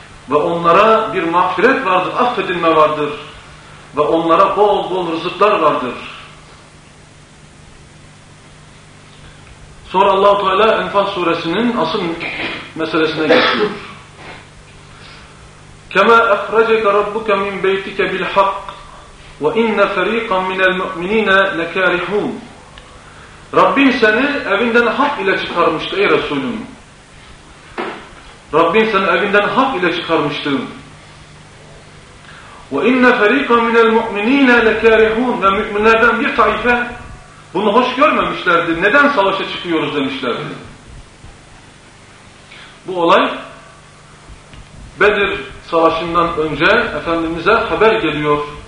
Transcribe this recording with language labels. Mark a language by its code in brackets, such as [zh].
[tr] Ve onlara bir mağfiret vardır, affedilme vardır. Ve onlara bol bol rızıklar vardır. Sonra Allah-u Teala Enfal suresinin asıl meselesine geçiyor. [ar] كَمَا اَخْرَجَكَ رَبُّكَ مِنْ بَيْتِكَ بِالْحَقِّ وَاِنَّ فَر۪يقًا مِنَ الْمُؤْمِن۪ينَ لَكَارِحُونَ [tr] Rabbin seni evinden hak ile çıkarmıştı ey Resulüm. Rabbin seni evinden hak ile çıkarmıştı. [ar] وَاِنَّ فَر۪يقًا مِنَ الْمُؤْمِن۪ينَ لَكَارِحُونَ [tr] Ve müminlerden bir taife bunu hoş görmemişlerdi. Neden savaşa çıkıyoruz demişlerdi. Bu olay Bedir savaşından önce Efendimiz'e haber geliyor.